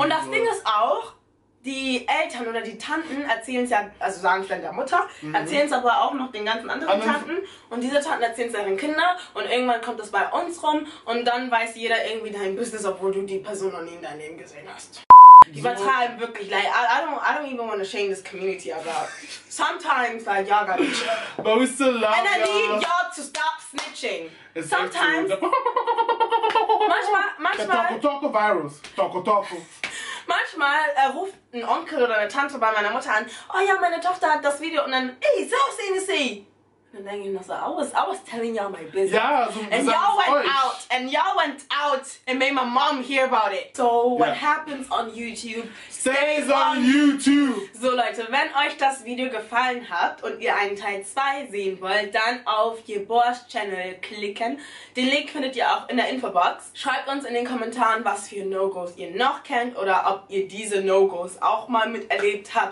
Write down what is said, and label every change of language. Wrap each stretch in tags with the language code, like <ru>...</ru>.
<de>Und das Ding ist auch, die Eltern oder die Tanten erzählen es ja, also sagen vielleicht der Mutter, erzählen es aber auch noch den ganzen anderen Tanten. Und diese Tanten erzählen es ihren Kindern und irgendwann kommt es bei uns rum und dann weiß jeder irgendwie dein Business, obwohl du die Person noch nie in deinem Leben gesehen hast. Die übertreiben wirklich,</de> <en>like, I don't even want to shame this community,</en> <de>aber</de> <en>sometimes, like, y'all got it. But we still love y'all. And I need y'all to stop snitching. It's sometimes.</en> <de>Manchmal. Toco virus. Toco. Manchmal ruft ein Onkel oder eine Tante bei meiner Mutter an, oh ja, meine Tochter hat das Video und dann, ey, so sehen sie. Und dann denke ich noch so,</de> <en>I was telling y'all my business.</en> <de>Ja, so</de> <en>and y'all went out. And y'all went out and made my mom hear about it. So what happens on YouTube stays on YouTube.</en> <de>So Leute, wenn euch das Video gefallen hat und ihr einen Teil 2 sehen wollt, dann auf Jebor's Channel klicken. Den Link findet ihr auch in der Infobox. Schreibt uns in den Kommentaren, was für No-Gos ihr noch kennt oder ob ihr diese No-Gos auch mal miterlebt habt.</de>